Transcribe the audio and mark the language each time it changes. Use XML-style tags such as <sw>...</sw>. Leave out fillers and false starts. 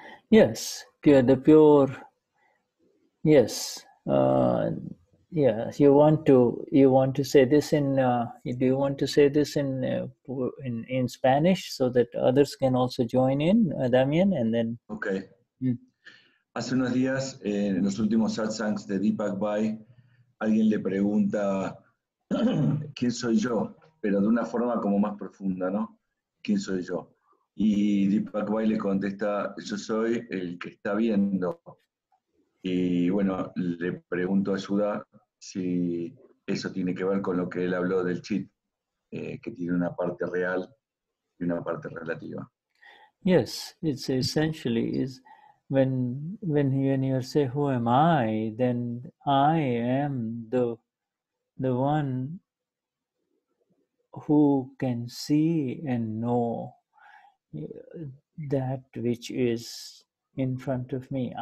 <en>Yes, yeah, the pure. Yes. Yes, you want to say this in do you want to say this in Spanish so that others can also join in, Damien, and then okay.</en> <es>Hace unos días en los últimos satsangs de Deepak Bhai, alguien le pregunta quién soy yo, pero de una forma como más profunda, ¿no? ¿Quién soy yo? Y Deepak Bhai le contesta, yo soy el que está viendo. Y bueno, le pregunto a Shuddha si eso tiene que ver con lo que él habló del chit, que tiene una parte real y una parte relativa.</es> <en>Yes, it's essentially is when you say who am I, then I am the one who can see and know that which is in front of me.</en>